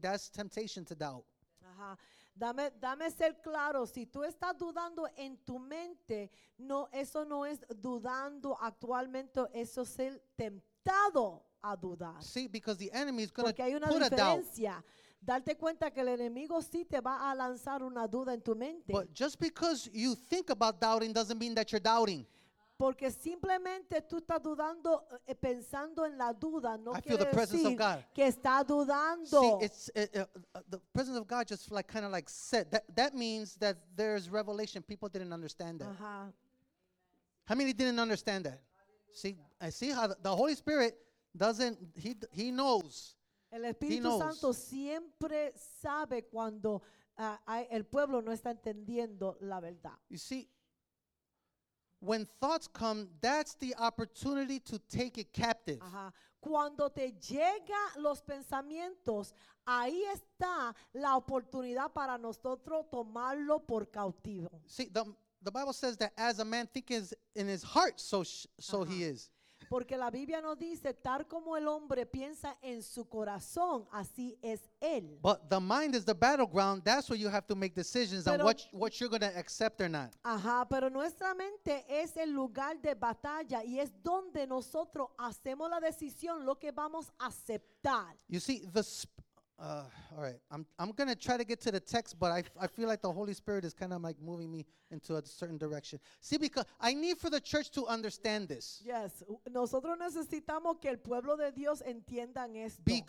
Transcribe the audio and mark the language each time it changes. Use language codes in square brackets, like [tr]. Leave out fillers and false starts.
[en] That's temptation to doubt. [es] Ajá. Dame ser claro. Si tú estás dudando en tu mente, no, eso no es dudando actualmente. Eso es ser tentado a dudar. [en] See, because the enemy is going to put a doubt. [es] Darte cuenta que el enemigo sí te va a lanzar una duda en tu mente. [en] But just because you think about doubting doesn't mean that you're doubting. [es] Porque simplemente tú estás dudando, pensando en la duda, no quiere decir que está dudando. [en] See, it's the presence of God just like kind of like said that means that there's revelation. People didn't understand that. How many didn't understand that? See how the Holy Spirit doesn't, he knows. [es] El Espíritu Santo siempre sabe cuando el pueblo no está entendiendo la verdad. [en] You see, when thoughts come, that's the opportunity to take it captive. [es] Cuando te llega los pensamientos, ahí está la oportunidad para nosotros tomarlo por cautivo. [en] See, the Bible says that as a man thinketh in his heart, so he is. [es] Porque la Biblia nos dice, tal como el hombre piensa en su corazón, así es él. [en] But the mind is the battleground. That's where you have to make decisions on what you're going to accept or not. [es] Pero nuestra mente es el lugar de batalla y es donde nosotros hacemos la decisión, lo que vamos a aceptar. [en] You see, all right, I'm going to try to get to the text, but I feel like the Holy Spirit is kind of like moving me into a certain direction. See, because I need for the church to understand this. [es] Yes, nosotros necesitamos que el pueblo de Dios entiendan esto.